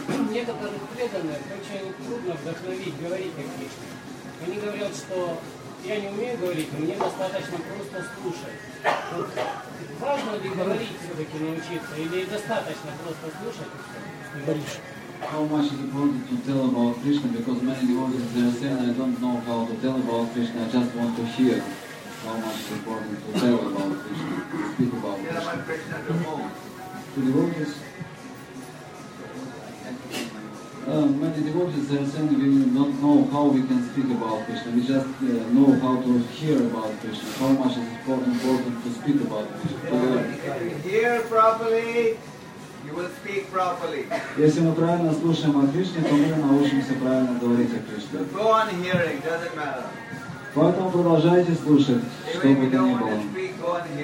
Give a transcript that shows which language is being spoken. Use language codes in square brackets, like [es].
[ru] Некоторые преданные очень трудно вдохновить, говорить о Кришне. Они говорят, что я не умею говорить, мне достаточно просто слушать. Вот важно ли говорить все-таки научиться, или достаточно просто слушать? [en] How much is important to tell about Krishna? Because many devotees they are saying I don't know how to tell about Krishna, I just want to hear. How much is important to tell about Krishna, to speak about Krishna? To devotees? Many devotees are saying we don't know how we can speak about Krishna, we just know how to hear about Krishna. How much is important to speak about Krishna? If you hear properly, you will speak properly. [ru] Если мы правильно слушаем о Кришне, то мы научимся правильно говорить о Кришне. [en] So go on hearing, doesn't matter. [ru] Поэтому продолжайте слушать, что бы то ни было.